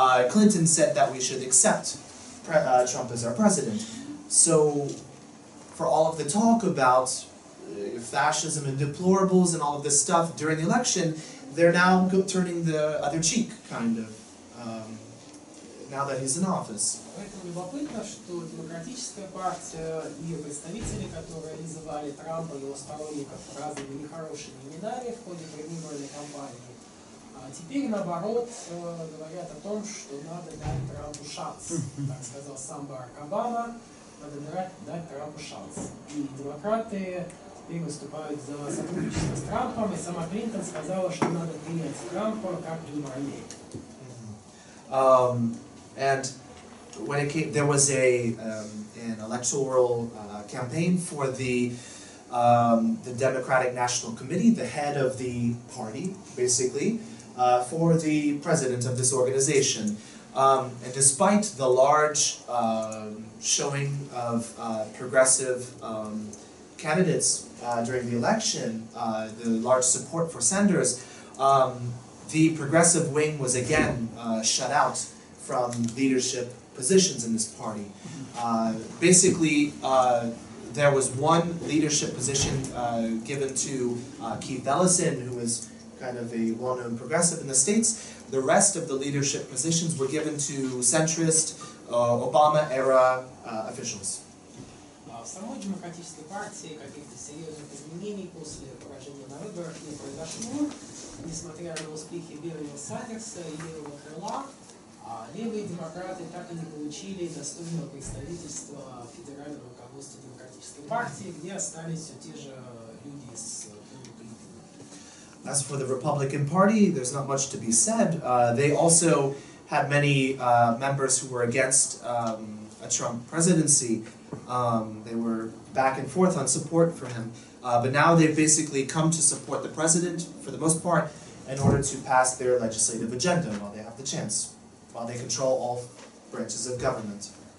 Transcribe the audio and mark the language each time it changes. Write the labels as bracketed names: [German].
[English] Clinton said that we should accept Trump as our president. So for all of the talk about fascism and deplorables and all of this stuff during the election, they're now turning the other cheek, kind of, now that he's in office. [Russian] Поэтому любопытно, что демократическая партия и представители, которые называли Трампа и его сторонников разными нехорошими именами в ходе предвыборной кампании, теперь, наоборот, говорят о том, что надо дать Трампу шанс. Так сказал сам Барак Обама, надо дать Трампу шанс. И демократы теперь выступают за сотрудничество с Трампом, и сама Клинтон сказала, что надо принять Трампа как думаю. [English] And when it came, there was a an electoral campaign for the Democratic National Committee, the head of the party, basically, for the president of this organization. And despite the large showing of progressive candidates during the election, the large support for Sanders, the progressive wing was again shut out from leadership positions in this party. Basically, there was one leadership position given to Keith Ellison, who was kind of a well-known progressive in the States. The rest of the leadership positions were given to centrist, Obama-era officials. [Russian] В самой демократической партии каких-то серьезных изменений после поражения на выборах не произошло, несмотря на успехи Бернии Сандерса и левого крыла. Левые демократы так и не получили достойного представительства федерального руководства демократической партии, где остались все те же люди с [English] As for the Republican Party, there's not much to be said. They also had many members who were against a Trump presidency. They were back and forth on support for him. But now they've basically come to support the president, for the most part, in order to pass their legislative agenda while they have the chance, while they control all branches of government.